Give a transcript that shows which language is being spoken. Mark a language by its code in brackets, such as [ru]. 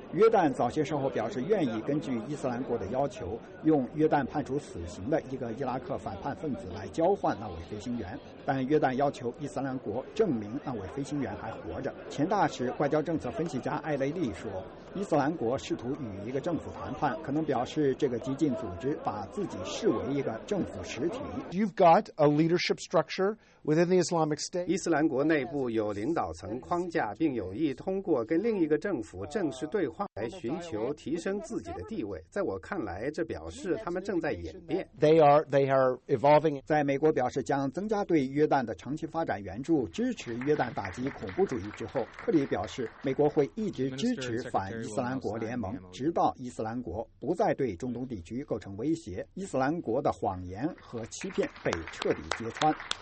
[zh] 约旦早些时候表示愿意根据伊斯兰国的要求，用约旦判处死刑的一个伊拉克反叛分子来交换那位飞行员，但约旦要求伊斯兰国证明那位飞行员还活着。前大使外交政策分析家艾雷利说，伊斯兰国试图与一个政府谈判，可能表示这个激进组织把自己视为一个政府实体。 [en] You've got a leadership structure within the Islamic State. [zh] 伊斯兰国内部有领导层框架，并有意通过跟另一个政府正式对话来寻求提升自己的地位。在我看来，这表示他们正在演变。 [en] They are evolving. [zh] 在美国表示将增加对约旦的长期发展援助，支持约旦打击恐怖主义之后，克里表示美国会一直支持反伊斯兰国联盟，直到伊斯兰国不再对中东地区构成威胁，伊斯兰国的谎言和欺骗被彻底揭穿。